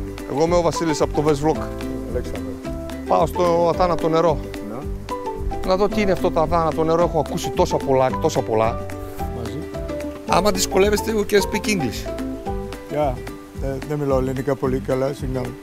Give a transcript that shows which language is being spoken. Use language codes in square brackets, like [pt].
[el] Εγώ είμαι ο Βασίλης από το Best Vlog. Αλέξανδρος. Πάω στο Αθάνατο νερό. Να δω τι είναι αυτό το Αθάνατο νερό. Έχω ακούσει τόσα πολλά και τόσα πολλά. Μαζί. Άμα δυσκολεύεστε, [en] you can speak English. Yeah. [el] Δεν μιλάω ελληνικά πολύ καλά, συγγνώμη.